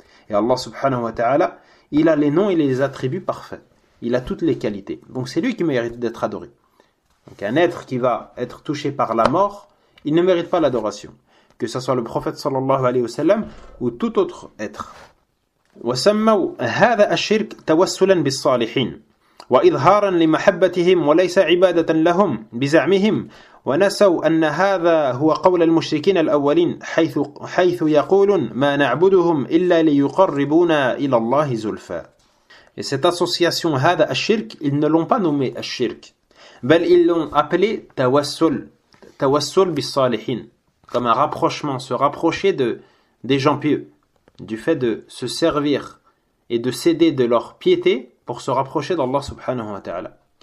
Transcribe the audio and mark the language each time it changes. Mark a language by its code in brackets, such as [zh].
[fr] Et Allah subhanahu wa ta'ala, il a les noms et les attributs parfaits. Il a toutes les qualités. Donc c'est lui qui mérite d'être adoré. Donc un être qui va être touché par la mort, il ne mérite pas l'adoration. Que ce soit le prophète sallallahu alayhi wa sallam ou tout autre être. [ar] وَسَمَّوْا هَذَا الشِّرْكْ تَوَسُّلًا بِالصَّالِحِينَ وَإِظْهَارًا لِمَحَبَّتِهِمْ وَلَيْسَ عِبَادَةً لَهُمْ بِزَعْمِهِمْ ونسوا أن هذا هو قول المشركين الأولين حيث يقول ما نعبدهم إلا ليقربونا إلى الله زلفا. [fr] Et cette association [ar] هذا الشرك, [fr] ils ne l'ont pas nommé الشرك, [ar] بل [fr] ils l'ont appelé [ar] توسل بالصالحين, [fr] comme un rapprochement, se rapprocher des gens pieux, du fait de se servir et de céder de leur piété pour se rapprocher d'Allah subhanahu wa ta'ala.